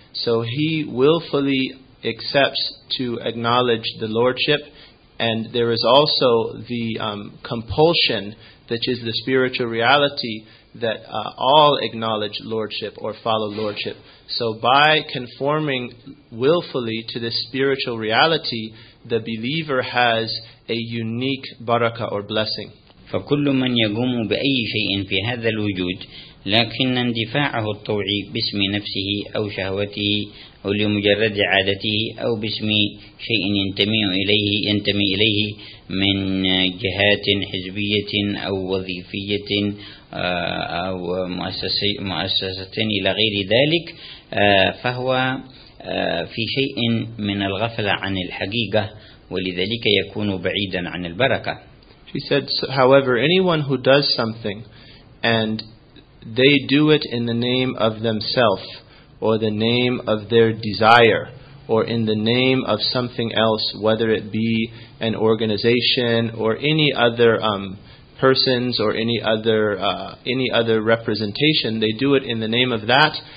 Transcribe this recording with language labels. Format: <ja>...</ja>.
<en>So he willfully accepts to acknowledge the lordship, and there is also the compulsion, which is the spiritual reality, that all acknowledge lordship or follow lordship. So by conforming willfully to this spiritual reality, the believer has a unique barakah or blessing.</en> <ar>فكل من يقوم بأي شيء في هذا الوجود لكن اندفاعه الطوعي باسم نفسه أو شهوته أو لمجرد عادته أو باسم شيء ينتمي إليه من جهات حزبية أو وظيفية أو مؤسسة إلى غير ذلك فهو في شيء من الغفلة عن الحقيقة ولذلك يكون بعيدا عن البركة.</ar> <en>She said, however, anyone who does something and they do it in the name of themselves or the name of their desire or in the name of something else, whether it be an organization or any other persons or any other representation, they do it in the name of that.</en>